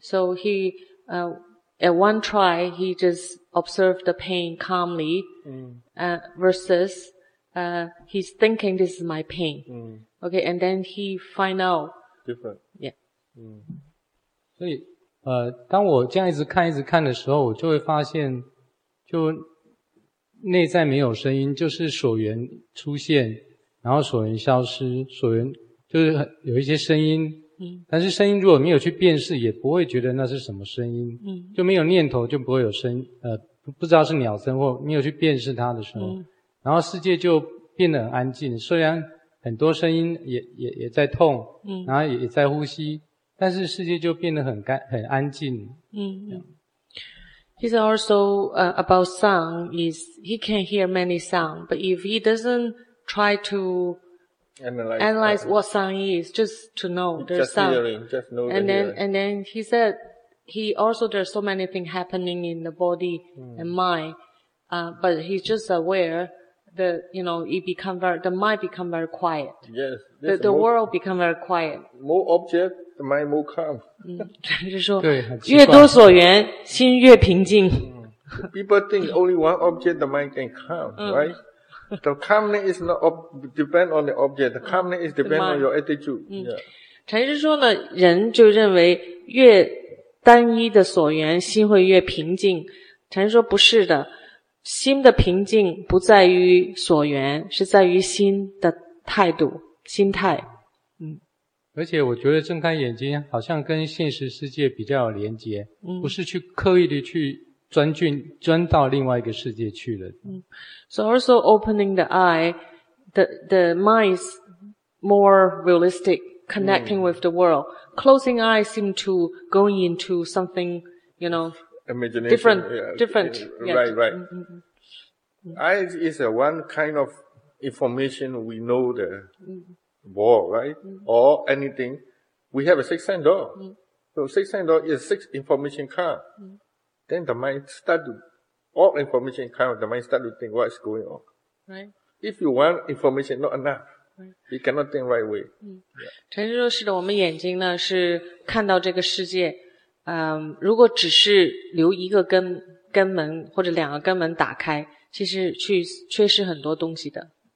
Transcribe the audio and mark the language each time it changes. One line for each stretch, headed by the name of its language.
English: So he, at one try, he just observed the pain calmly, versus, he's thinking this is my pain. Okay, and then he find out. Different. Yeah.
Chinese: 所以当我这样一直看的时候，我就会发现就内在没有声音，就是所缘出现然后所缘消失，所缘就是有一些声音但是声音如果没有去辨识也不会觉得那是什么声音就没有念头就不会有声音不知道是鸟声或没有去辨识它的时候然后世界就变得很安静，虽然很多声音也在痛，嗯，然后也在呼吸，但是世界就变得很安静。
English: 嗯。He's also about sound. Is he can hear many sound, but if he doesn't try to analyze what sound is, just to know there's just sound, hearing, just know and the then hearing. And then he said he also there's so many things happening in the body and mind, but he's just aware that you know it become very the mind become very quiet. Yes, the more, world become very quiet. More object. The mind will come.
Chinese: 嗯，就是说，越多所缘，心越平静。
English: People think only one object, the mind can come, right? The calmness is not depend on the object. The calmness is depend on your attitude.
Chinese: 嗯，禅师说呢，人就认为越单一的所缘，心会越平静。禅师说不是的，心的平静不在于所缘，是在于心的态度、心态。而且我觉得睁开眼睛好像跟现实世界比较有连结、嗯、不是去刻意的去钻到另外一个世界去了。
English: So also opening the eye, the mind is more realistic, connecting、嗯、 with the world. Closing eye seem to go into something, you know, imagination, different, yeah, different. Yeah, right, right.、 Mm-hmm. Eye is a one kind of information we know the、mm-hmm. Ball, right? Or anything. We have a six sense door. So six sense door is six information come. Then the mind start to, all information come, the mind start to think what's going on. Right. If you want information not enough, you cannot think right way.
Chinese: 陈师说是的，我们眼睛呢是看到这个世界，如果只是留一个根门或者两个根门打开，其实去缺失很多东西的。